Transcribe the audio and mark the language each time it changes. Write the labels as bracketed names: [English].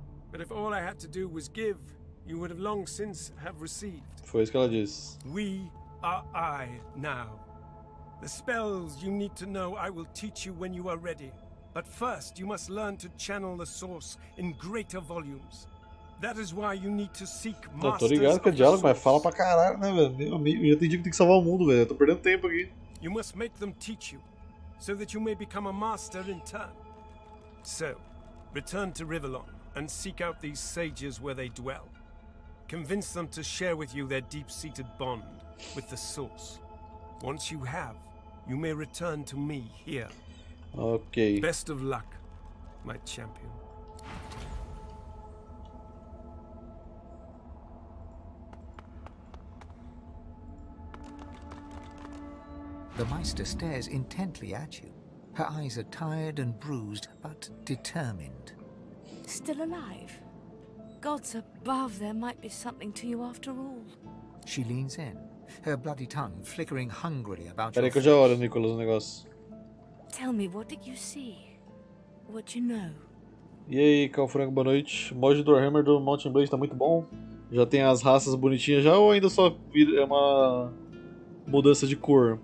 [English] But if all I had to do was give, you would have long since have received. [Portuguese] Foi isso que ela disse. [English] We are I now. The spells you need to know, I will teach you when you are ready. But first, you must learn to channel the source in greater volumes. That is why you need to seek masters. [Portuguese] Tô ligado que é diálogo, mas fala pra caralho, né, velho? Meu amigo, já tem dia que tem que salvar o mundo, velho. Tô perdendo tempo aqui. [English] You must make them teach you, so that you may become a master in turn. So, return to Rivelon and seek out these sages where they dwell. Convince them to share with you their deep-seated bond with the source. Once you have, you may return to me here. Okay. Best of luck, my champion. The Meister stares intently at you. Her eyes are tired and bruised, but determined. Still alive? Gods above, there might be something to you after all. She leans in. Her bloody tongue flickering hungrily about your face. [Portuguese] Peraí que eu já olho, Nicholas, o negócio. [English] Tell me, what did you see? What you know? [Portuguese] E aí, Cal Franco, boa noite. O mod do Warhammer do Mountain Blade tá muito bom. Já tem as raças bonitinhas já ou ainda só é uma mudança de cor?